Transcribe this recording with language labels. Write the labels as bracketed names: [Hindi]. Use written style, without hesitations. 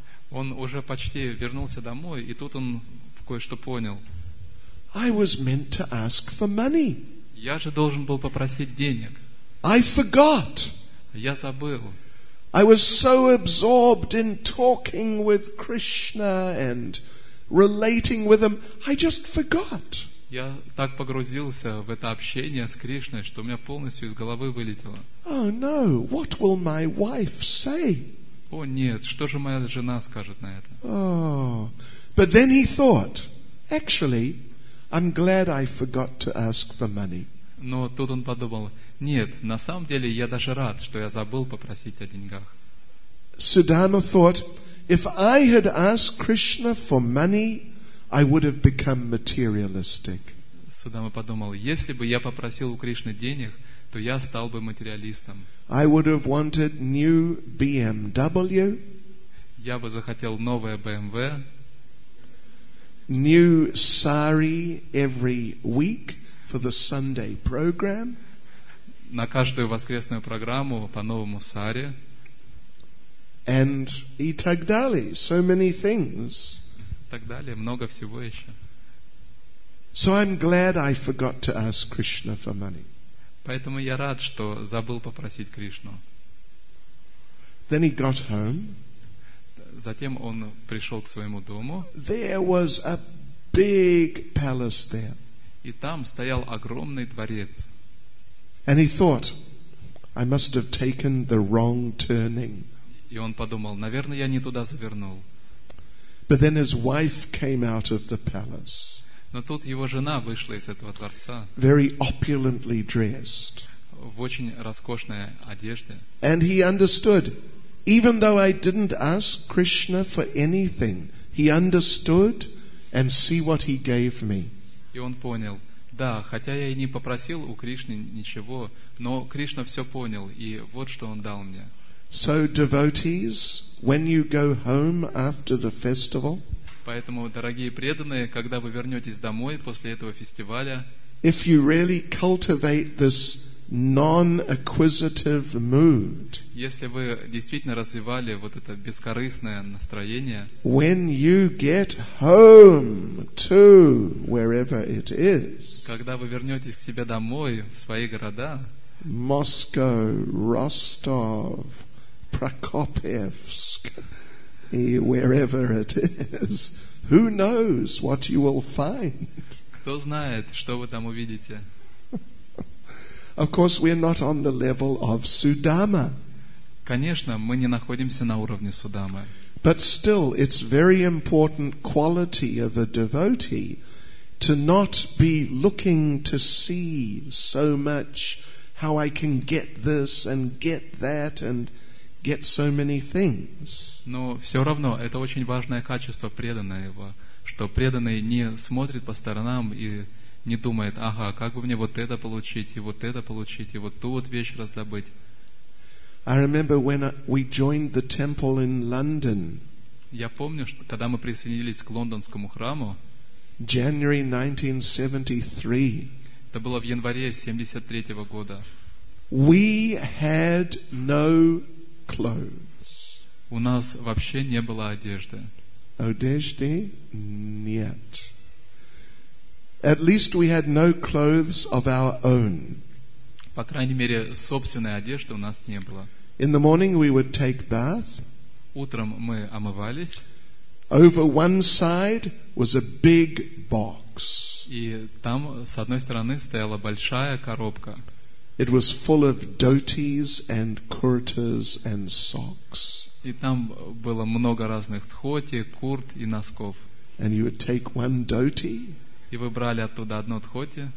[Russian] Он уже почти вернулся домой, и тут он кое-что понял. [English] I was meant to ask for money. [Russian] Я же должен был попросить денег. [English] I forgot. [Russian] Я забыл. [English] I was so absorbed in talking with Krishna and relating with him, I just forgot. [Russian] Я так погрузился в это общение с Кришной, что у меня полностью из головы вылетело. [English] Oh no, what will my wife say? [Russian] О нет, что же моя жена скажет на это? [English] Oh. But then he thought, actually, I'm glad I forgot to ask for money. [Russian] Но тут он подумал, нет, на самом деле я даже рад, что я забыл попросить о деньгах. [English] Sudama thought, if I had asked Krishna for money, I would have become materialistic. [Russian] Судама подумал, если бы я попросил у Кришны денег, то я стал бы материалистом. [English] I would have wanted new BMW. [Russian] Я бы захотел новое BMW. [English] New sari every week for the Sunday program. [Russian] На каждую воскресную программу по новому сари. [English] And [Russian] и так далее. [English] So many things. [Russian] Так далее, много всего еще. [English] So I'm glad I forgot to ask Krishna for money. [Russian] Поэтому я рад, что забыл попросить Кришну. [English] Then he got home. [Russian] Затем он пришел к своему дому. [English] There was a big palace there. [Russian] И там стоял огромный дворец. [English] And he thought, I must have taken the wrong turning. [Russian] И он подумал, наверное, я не туда завернул. [English] But then his wife came out of the palace. [Russian] Но тут его жена вышла из этого дворца. [English] Very opulently dressed. [Russian] В очень роскошной одежде. [English] And he understood, even though I didn't ask Krishna for anything, he understood, and see what he gave me. [Russian] И он понял, да, хотя я и не попросил у Кришны ничего, но Кришна все понял, и вот что он дал мне. [English] So devotees, when you go home after the festival, [Russian] поэтому, дорогие преданные, когда вы вернетесь домой после этого фестиваля, [English] if you really cultivate this non-acquisitive mood, [Russian] если вы действительно развивали вот это бескорыстное настроение, [English] when you get home to wherever it is, [Russian] когда вы вернетесь к себе домой, в свои города, [English] Moscow, Rostov, Prokopievsk, wherever it is, who knows what you will find? [Russian] Кто знает, что вы там увидите? [English] Of course, we're not on the level of Sudama. [Russian] Конечно, мы не находимся на уровне Судамы. [English] But still, it's very important quality of a devotee to not be looking to see so much how I can get this and get that and get so many things. [Russian] Но все равно это очень важное качество преданного, что преданный не смотрит по сторонам и не думает, ага, как бы мне вот это получить, и вот это получить, и вот ту вот вещь раздобыть. [English] I remember when we joined the temple in London. [Russian] Я помню, что когда мы присоединились к лондонскому храму, [English] January 1973. [Russian] Это было в январе 73 года. [English] We had no clothes. [Russian] У нас вообще не было одежды. Одежды нет. [English] At least we had no clothes of our own. [Russian] По крайней мере, собственной одежды у нас не было. [English] In the morning we would take bath. [Russian] Утром мы омывались. [English] Over one side was a big box. [Russian] И там с одной стороны стояла большая коробка. [English] It was full of dhotis and kurtas and socks. [Russian] И там было много разных дхоти, курт и носков. [English] And you would take one dhoti. [Russian] И вы брали оттуда одну дхоти.